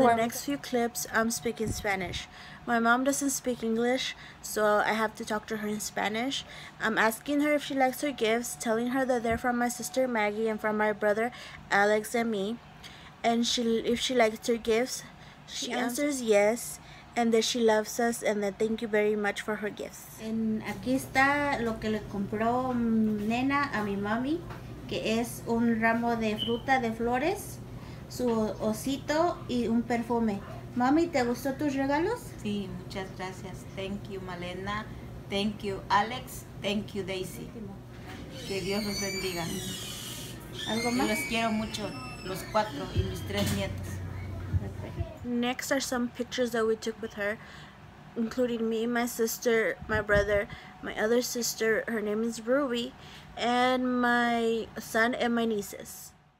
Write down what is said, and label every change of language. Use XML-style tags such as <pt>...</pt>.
<en>The next few clips, I'm speaking Spanish. My mom doesn't speak English, so I have to talk to her in Spanish. I'm asking her if she likes her gifts, telling her that they're from my sister Maggie and from my brother Alex and me. And if she likes her gifts, she answers yes. And that she loves us, and that thank you very much for her gifts.</en> <es>And aquí está lo que le compró nena a mi mami, que es un ramo de fruta de flores, su osito y un perfume. Mami, ¿te gustó tus regalos? Sí, muchas gracias.</es> <en>Thank you, Malena. Thank you, Alex. Thank you, Daisy.</en> <es>Que Dios los bendiga. ¿Algo más? Yo los quiero mucho, los cuatro y mis tres nietos.</es> <en>Next are some pictures that we took with her, including me, my sister, my brother, my other sister, her name is Ruby, and my son and my nieces.</en>